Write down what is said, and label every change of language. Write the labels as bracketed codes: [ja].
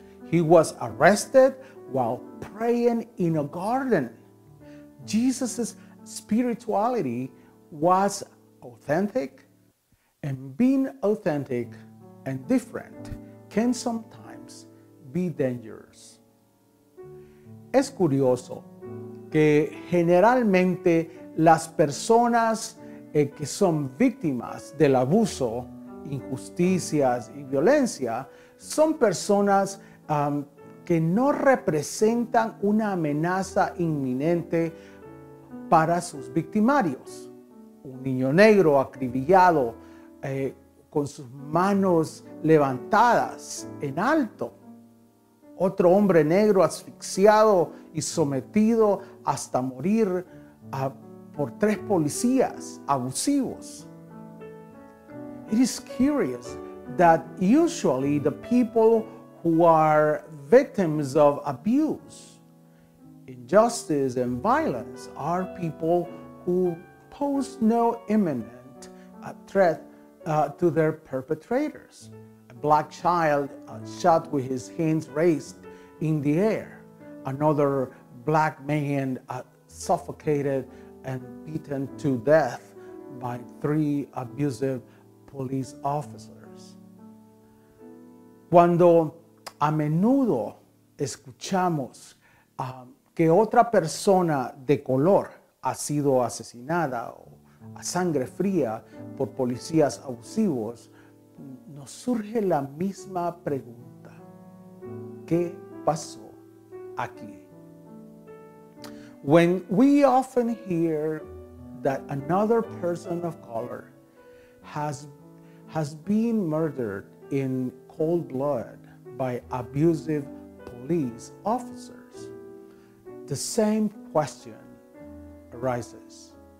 [en] He was arrested while praying in a garden. Jesus' spirituality was authentic, and being authentic and different can sometimes be dangerous. [es] Es curioso que generalmente las personas que son víctimas del abuso, injusticias y violencia son personas que no representan una amenaza inminente para sus victimarios. Un niño negro acribillado con sus manos levantadas en alto. Otro hombre negro asfixiado y sometido hasta morir por tres policías abusivos. [en] It is curious that usually the people who are victims of abuse, injustice, and violence are people who pose no imminent threat to their perpetrators. A black child shot with his hands raised in the air. Another black man suffocated and beaten to death by three abusive police officers. [es] Cuando a menudo escuchamos que otra persona de color ha sido asesinada o a sangre fría por policías abusivos, nos surge la misma pregunta: ¿qué pasó aquí? [en] When we often hear that another person of color has been murdered in cold blood by abusive police officers, the same question arises.